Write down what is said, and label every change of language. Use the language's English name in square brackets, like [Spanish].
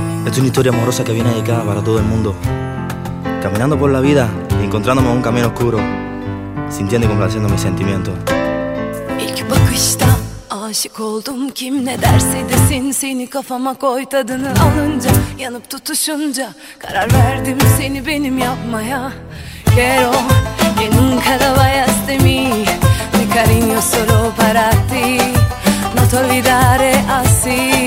[Spanish] es una historia amorosa que viene dedicada para todo el mundo. Caminando por la vida y encontrándome en un camino oscuro, sintiendo y complaciendo mis sentimientos. [Turkish] İlk bakışta aşık oldum, kim ne derse desin, seni kafama koy, tadını alınca, yanıp tutuşunca, karar verdim seni benim yapmaya. [Spanish] Quiero que nunca te vayas de mí, mi cariño solo para ti, no te olvidaré así.